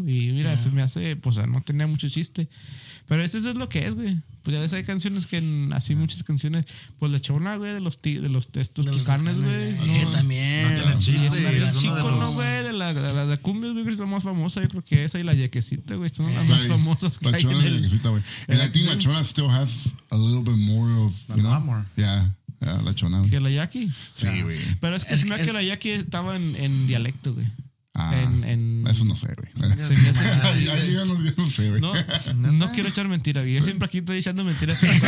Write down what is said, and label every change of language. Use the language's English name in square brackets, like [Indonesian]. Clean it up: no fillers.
[Spanish] Y mira, se me hace, pues, no tenía mucho chiste. Pero eso es lo que es, güey. Pues a veces hay canciones que, así muchas canciones, pues le echó una, güey, de los tucanes, güey. Que también. La cumbia, güey, es la más famosa, yo creo que esa y la yequecita, güey, son las más famosas. La chona y la yequecita, güey. [English] And I think la chona still has a little bit more of, you know. A lot more. Yeah. La chona. [Spanish] ¿Que la yaqui? Sí, güey. Pero es que se me hace que la yaqui estaba en dialecto, güey. Eso no sé, güey. Ahí ya no sé, güey. No quiero echar mentira, güey. Yo siempre aquí estoy echando mentiras.